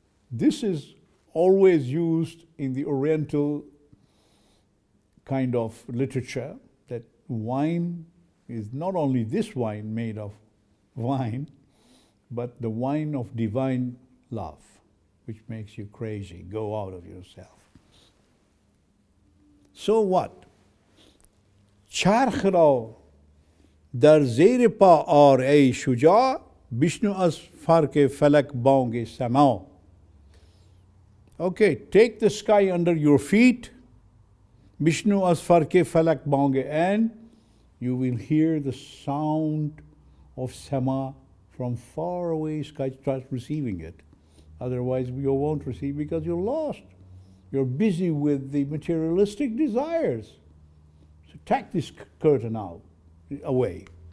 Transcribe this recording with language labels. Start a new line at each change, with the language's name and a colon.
English: This is always used in the Oriental kind of literature, that wine is not only this wine made of wine, but the wine of divine love, which makes you crazy, go out of yourself. So what?
Persian: چرخ را در زیر پا آر ای شجاع بشنو از فرق فلک بانگ سما.
English: Okay, take the sky under your feet.
Persian: Bishnu as farke falak bonge,
English: and you will hear the sound of Sama from far away. Sky starts receiving it. Otherwise, you won't receive because you're lost. You're busy with the materialistic desires. So take this curtain out, away.